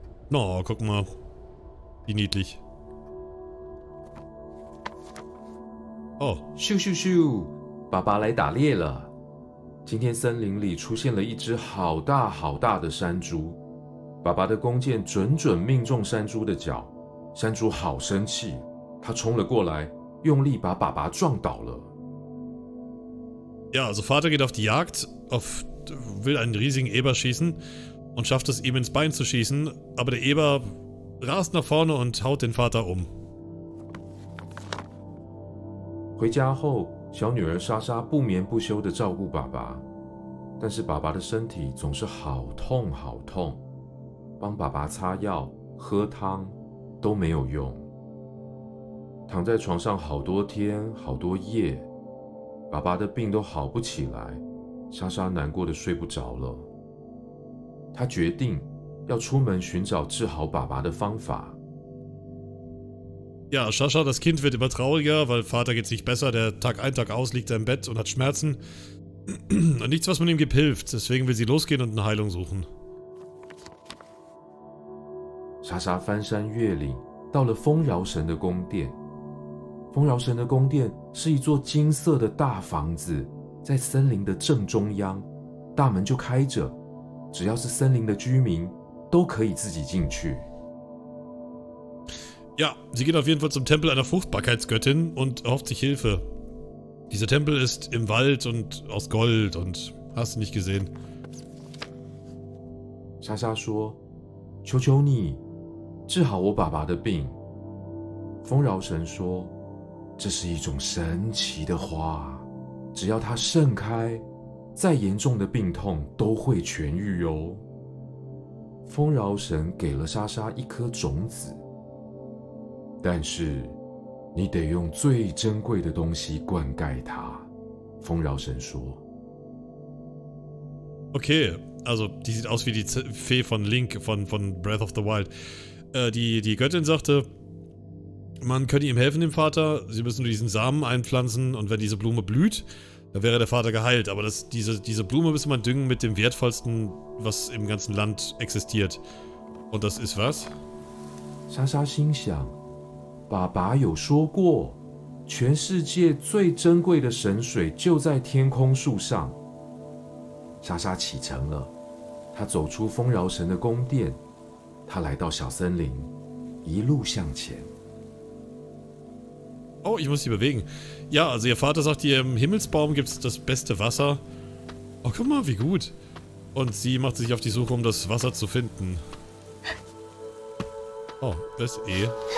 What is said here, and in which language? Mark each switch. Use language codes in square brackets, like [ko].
[de] Na, no, guck mal, wie niedlich. Oh. [zh] Shu shu shu, Papa 来打猎了。今天森林里出现了一只好大好大的山猪。爸爸的弓箭准准命中山猪的脚，山猪好生气，他冲了过来，用力把爸爸撞倒了。 [de] Ja, also Vater geht auf die Jagd, will einen riesigen Eber schießen und schafft es ihm ins Bein zu schießen, aber der Eber rast nach vorne und haut den Vater um. [zh] 回家后，小女儿莎莎不眠不休地照顾爸爸，但是爸爸的身体总是好痛好痛。帮爸爸擦药、喝汤都没有用。躺在床上好多天、好多夜，爸爸的病都好不起来，莎莎难过的睡不着了。她决定要出门寻找治好爸爸的方法。 [de] Ja, Sascha, das Kind wird immer trauriger, weil Vater geht sich besser. Der Tag ein, Tag aus liegt er im Bett und hat Schmerzen. Und nichts, was man ihm gibt, hilft. Deswegen will sie losgehen und eine Heilung suchen. [zh] 莎莎翻山越岭，到了丰饶神的宫殿。丰饶神的宫殿是一座金色的大房子，在森林的正中央，大门就开着，只要是森林的居民，都可以自己进去。 [de] Ja, sie geht auf jeden Fall zum Tempel einer Fruchtbarkeitsgöttin und erhofft sich Hilfe. Dieser Tempel ist im Wald und aus Gold und hast du nicht gesehen. [zh] 莎莎说，求求你，治好我爸爸的病。丰饶神说，这是一种神奇的花，只要它盛开，再严重的病痛都会痊愈哦。丰饶神给了莎莎一颗种子，但是你得用最珍贵的东西灌溉它。丰饶神说，OK。 [de] Also, die sieht aus wie die Fee von Link von Breath of the Wild. Die Göttin sagte, man könne ihm helfen, dem Vater. Sie müssen nur diesen Samen einpflanzen und wenn diese Blume blüht, dann wäre der Vater geheilt. Aber diese Blume müsste man düngen mit dem wertvollsten, was im ganzen Land existiert. Und das ist was? [zh] Sasha 心想, 爸爸有说过，全世界最珍贵的神水就在天空树上。莎莎启程了，她走出丰饶神的宫殿，她来到小森林，一路向前。 [de] Oh, ich muss sie bewegen. Ja, also ihr Vater sagt ihr, im Himmelsbaum gibt's das beste Wasser. Oh, guck mal, wie gut. Und sie macht sich auf die Suche, um das Wasser zu finden. Oh, das eh.